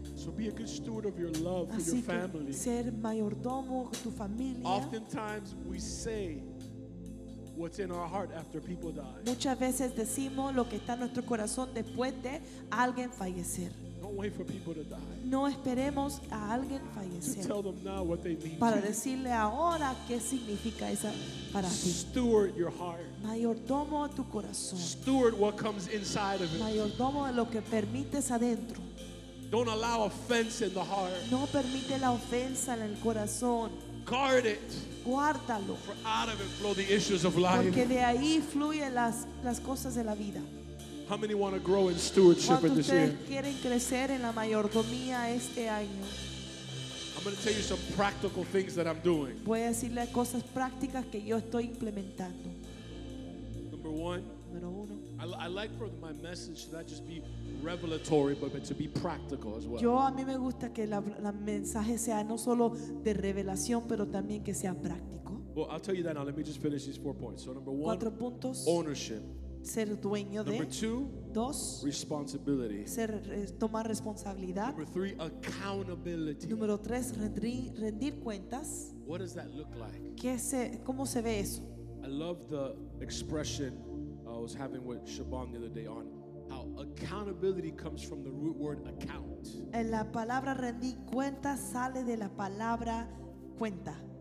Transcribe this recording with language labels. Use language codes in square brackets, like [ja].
[en] So be a good steward of your love for your family. [es] Ser mayordomo de tu familia. [en] Oftentimes we say what's in our heart after people die. [es] Muchas veces decimos lo que está en nuestro corazón después de alguien fallecer. [en] Don't wait for people to die. [es] No esperemos a alguien fallecer. [en] To tell them now what they mean. [es] Para decirle ahora qué significa esa para ti. [en] Steward your heart. [es] Mayordomo de tu corazón. [en] Steward what comes inside of it. [es] Mayordomo de lo que permites adentro. [en] Don't allow offense in the heart. [es] No permite la ofensa en el corazón. [en] Guard it. [es] Guárdalo. [en] For out of it flow the issues of life. [es] Porque de ahí fluyen las cosas de la vida. [en] How many want to grow in stewardship this year? [es] ¿Cuántos quieren crecer en la mayordomía este año? [en] I'm going to tell you some practical things that I'm doing. [es] Voy a decirle cosas prácticas que yo estoy implementando. [en] Number one. I like for my message to not just be revelatory, but to be practical as well. [es] Yo a mí me gusta que la mensaje sea no solo de revelación, pero también que sea práctico. [en] Well, I'll tell you that now. Let me just finish these 4 points. So number one, [es] 4 puntos, [en] ownership. [es] Ser dueño de. [en] Number two, [es] dos, [en] responsibility. [es] Ser tomar responsabilidad. [en] Number three, accountability. [es] Número tres, rendir cuentas. [en] What does that look like? [es] ¿Cómo se ve eso? [en] I love the expression I was having with Shabon the other day on how accountability comes from the root word account. [es] En la palabra rendir cuenta sale de la palabra cuenta.